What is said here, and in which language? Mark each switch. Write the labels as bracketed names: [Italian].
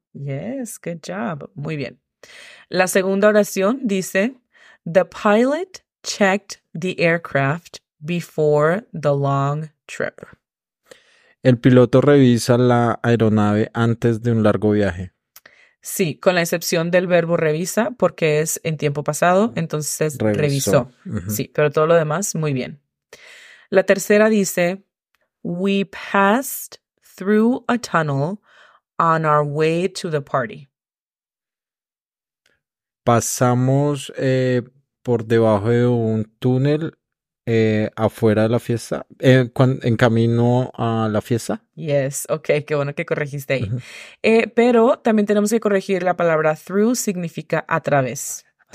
[English] Yes, good job. [Spanish] Muy bien. La segunda oración dice: [English] The pilot checked the aircraft before the long trip. [Spanish] El piloto revisa la aeronave antes de un largo viaje. Sí, con la excepción del verbo revisa, porque es en tiempo pasado, entonces Revisó. revisó. Sí, pero todo lo demás, muy bien. La tercera dice: [English] We passed through a tunnel on our way to the party. [Spanish] Pasamos por debajo de un túnel afuera de la fiesta, en camino a la fiesta. [English] Yes, okay, [Spanish] qué bueno que corregiste ahí. Pero también tenemos que corregir: la palabra through significa a través.